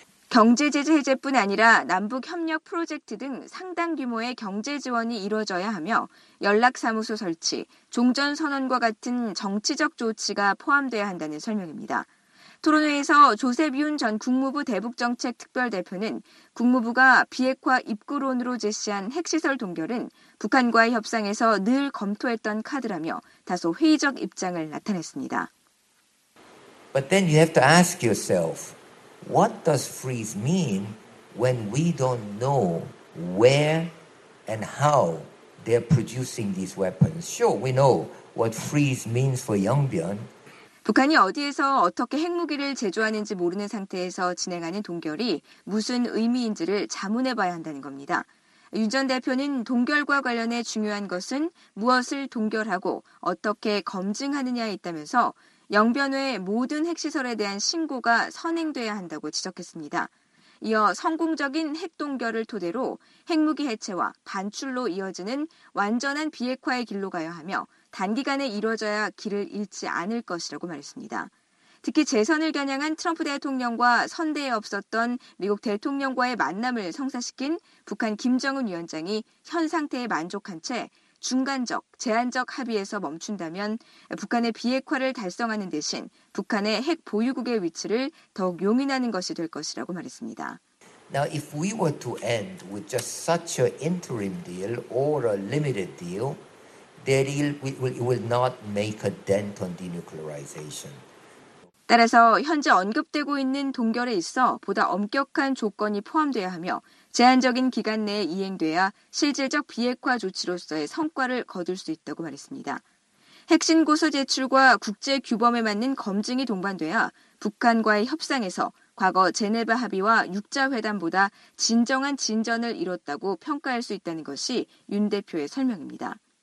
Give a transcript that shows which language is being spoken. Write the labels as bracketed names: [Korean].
[Korean] 경제 제재 해제뿐 아니라 남북 협력 프로젝트 등 상당 규모의 경제 지원이 이루어져야 하며 연락사무소 설치, 종전선언과 같은 정치적 조치가 포함돼야 한다는 설명입니다. 토론회에서 조셉 윤 전 국무부 대북정책특별대표는 국무부가 비핵화 입구론으로 제시한 핵시설 동결은 북한과의 협상에서 늘 검토했던 카드라며 다소 회의적 입장을 나타냈습니다. [English] But then you have to ask yourself, what does freeze mean when we don't know where and how they're producing these weapons? Sure, we know what freeze means for Yongbyon. [Korean] 북한이 어디에서 어떻게 핵무기를 제조하는지 모르는 상태에서 진행하는 동결이 무슨 의미인지를 자문해봐야 한다는 겁니다. 윤 전 대표는 동결과 관련해 중요한 것은 무엇을 동결하고 어떻게 검증하느냐에 있다면서 영변 외 모든 핵시설에 대한 신고가 선행돼야 한다고 지적했습니다. 이어 성공적인 핵동결을 토대로 핵무기 해체와 반출로 이어지는 완전한 비핵화의 길로 가야 하며 단기간에 이루어져야 길을 잃지 않을 것이라고 말했습니다. 특히 재선을 겨냥한 트럼프 대통령과 선대에 없었던 미국 대통령과의 만남을 성사시킨 북한 김정은 위원장이 현 상태에 만족한 채 중간적, 제한적 합의에서 멈춘다면 북한의 비핵화를 달성하는 대신 북한의 핵 보유국의 위치를 더욱 용인하는 것이 될 것이라고 말했습니다. [English] Now, if we were to end with just such an interim deal or a limited deal, that it will not make a dent on denuclearization. [Korean] 따라서 현재 언급되고 있는 동결에 있어 보다 엄격한 조건이 포함되어야 하며 제한적인 기간 내에 이행돼야 실질적 비핵화 조치로서의 성과를 거둘 수 있다고 말했습니다. 핵신고서 제출과 국제 규범에 맞는 검증이 동반돼야 북한과의 협상에서 과거 제네바 합의와 6자회담보다 진정한 진전을 이뤘다고 평가할 수 있다는 것이 윤 대표의 설명입니다.